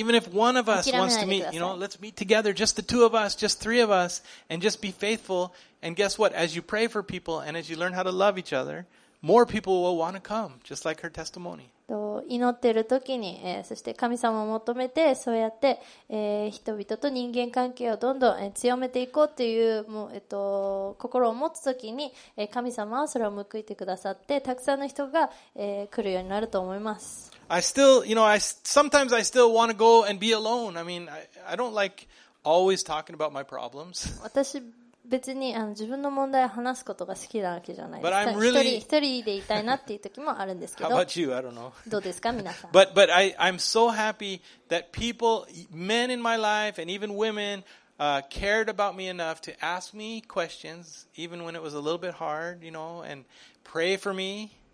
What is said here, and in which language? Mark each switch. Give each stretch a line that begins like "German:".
English: Even if one of us wants to meet, you know, let's meet together, just the two of us, just three of us, and just be faithful. And guess what? As you pray for people and as you learn how to love each other, more people will want to come, just like her testimony.
Japanese: 祈っている時に、そして神様を求めて、そうやって、人々と人間関係をどんどん、強めていこうという、心を持つ時に、神様はそれを報いてくださって、たくさんの人が、来るようになると思います。
English: I still, you know, sometimes I still want to go and be alone. I mean, I don't like always talking about my problems.
Japanese: 私別に自分の問題を話すことが好きなわけじゃないですか。
English: Really、
Japanese: 一人でいたいなっていう時もあるんですけど。
English: How about you? I don't know.
Japanese: どうですか皆さん。
English: But I'm so happy that people, men in my life and even women, cared about me enough to ask me questions, even when it was a little bit hard, you know, and pray for me.